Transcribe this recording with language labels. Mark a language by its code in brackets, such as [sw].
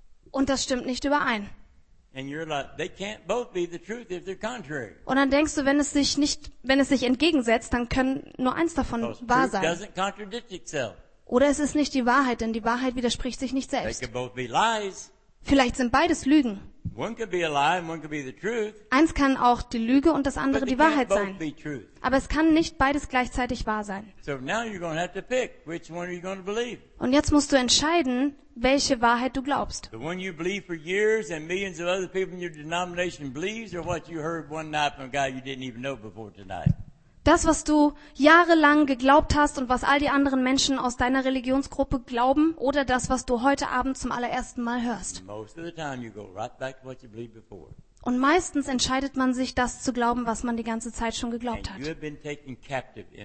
[de] Und das stimmt nicht überein. Und dann denkst du, wenn es sich entgegensetzt, dann können nur eins davon wahr sein. Oder es ist nicht die Wahrheit, denn die Wahrheit widerspricht sich nicht selbst. [en] They could both be lies. [de] Vielleicht sind beides Lügen. [en] One could be a lie, one could be the truth. [de] Eins kann auch die Lüge und das andere [en] But [de] die Wahrheit sein. [en] Be truth. [de] Aber es kann nicht beides gleichzeitig wahr sein. Und jetzt musst du entscheiden, welche Wahrheit du glaubst. [en] The one you believe for years and millions of other people in your denomination believes, or what you heard one night from a guy you didn't even know before tonight. [de] Das, was du jahrelang geglaubt hast und was all die anderen Menschen aus deiner Religionsgruppe glauben, oder das, was du heute Abend zum allerersten Mal hörst. Und meistens entscheidet man sich, das zu glauben, was man die ganze Zeit schon geglaubt hat.